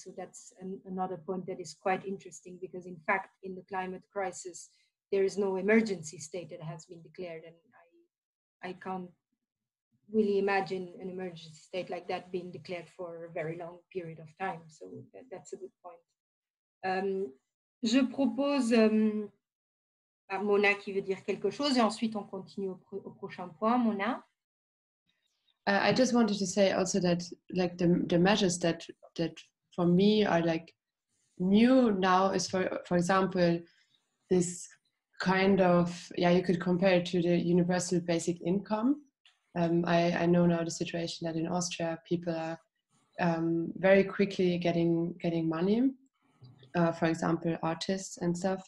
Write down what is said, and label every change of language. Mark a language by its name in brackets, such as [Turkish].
[English] So that's another point that is quite interesting, because in fact in the climate crisis there is no emergency state that has been declared, and I can't really imagine an emergency state like that being declared for a very long period of time. So that's a good point. [French] Je propose à Mona qui veut dire quelque chose, et ensuite on continue au prochain point. Mona? [English] I just wanted to say also that like the measures that for me are like new now is for example this kind of, you could compare it to the universal basic income. I know now the situation that in Austria people are very quickly getting money, for example artists and stuff.